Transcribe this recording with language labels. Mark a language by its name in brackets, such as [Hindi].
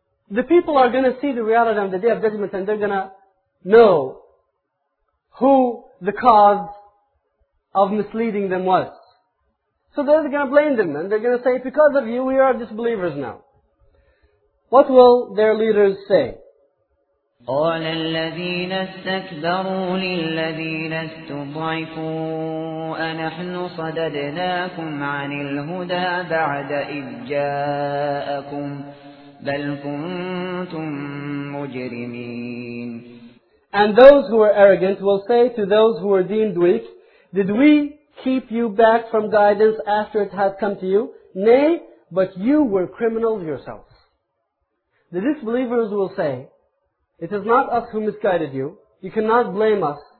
[English] The people are going to see the reality on the Day of Judgment and they're going to know who the cause of misleading them was. So they're going to blame them and they're going to say, because of you, we are disbelievers now. What will their leaders say? [Arabic] قال الذين استكبروا للذين استضعفوا أنحن صددناكم عن الهدى بعد إذ جاءكم بل كنتم مجرمين. [English] And those who were arrogant will say to those who were deemed weak, did we keep you back from guidance after it had come to you? Nay, but you were criminals yourselves. The disbelievers will say, it is not us who misguided you. You cannot blame us.